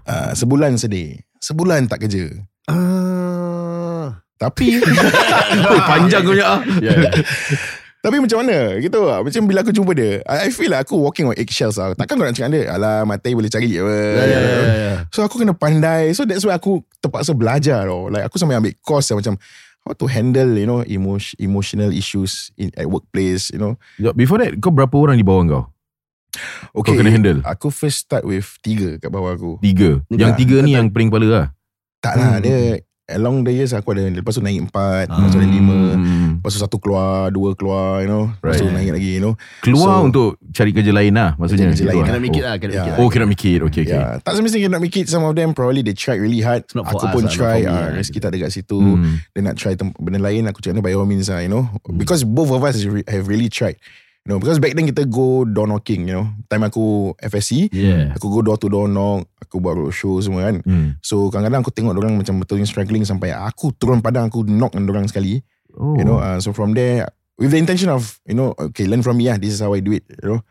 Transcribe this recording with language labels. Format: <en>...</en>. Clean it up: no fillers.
<ms>sebulan sedih, sebulan tak kerja. Tapi panjang punya. Tapi macam mana gitu, macam bila aku jumpa dia,</ms> <en>I feel like</en> <ms>aku</ms> <en>walking on eggshells</en> <ms>lah. Takkan kau nak cakap dia, alah matai boleh cari. So aku kena pandai. So that's why aku terpaksa belajar tau.</ms> <en>Like</en> <ms>aku sampai ambil course lah, macam</ms> <en>how to handle, you know, emotional issues at workplace, you know.</en> <ms>Before that, kau berapa orang di bawah kau?</ms> <en>Okay,</en> <ms>kau kena handle. Aku first start with 3 kat bawah aku. 3? Yang 3 ni yang pering kepala lah. Tak lah, dia</ms> <en>along the years</en> <ms>aku ada, lepas tu naik 4, lepas tu naik 5, lepas tu 1 keluar, 2 keluar, you know, lepas tu naik lagi, you know. Keluar so, untuk cari kerja lain lah, maksudnya. Kerja lain, kena mikir lah, kena mikir. Oh, kena mikir, okay, okay. Yeah. Tak semestinya kena mikir,</ms> <en>some of them probably they tried really hard.</en> <ms>Aku pun try, rezeki tak ada kat situ.</ms> <en>They</en> <ms>nak try benda lain, aku cakap ni</ms> <en>by all means lah, you know. Because both of us have really tried. You know, because back then kita go door knocking, you know.</en> <ms>Time aku FSC, aku</ms> <en>go door to door knock,</en> <ms>aku buat roadshow semua kan. So kadang-kadang aku tengok orang macam betul-betul struggling sampai aku turun padang, aku knock dengan orang sekali.</ms> <en>You know, so from there, with the intention of, you know, okay, learn from me lah, this is how I do it, you know.</en>